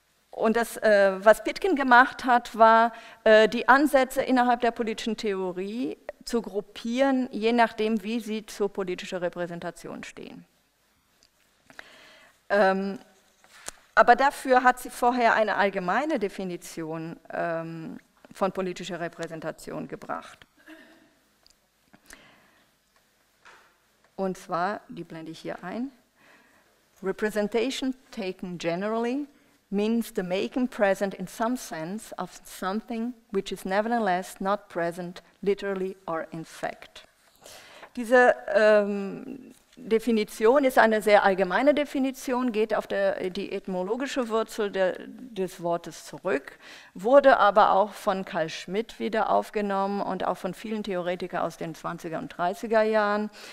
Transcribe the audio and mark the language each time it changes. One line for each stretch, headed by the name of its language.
German: Und das, was Pitkin gemacht hat, war die Ansätze innerhalb der politischen Theorie zu gruppieren, je nachdem, wie sie zur politischen Repräsentation stehen. Aber dafür hat sie vorher eine allgemeine Definition von politischer Repräsentation gebracht. Und zwar, die blende ich hier ein,
English: Representation taken generally means the making present in some sense of something which is nevertheless not present literally or in fact.
German: Diese Definition ist eine sehr allgemeine Definition, geht auf die etymologische Wurzel des Wortes zurück, wurde aber auch von Carl Schmitt wieder aufgenommen und auch von vielen Theoretikern aus den 20er und 30er Jahren.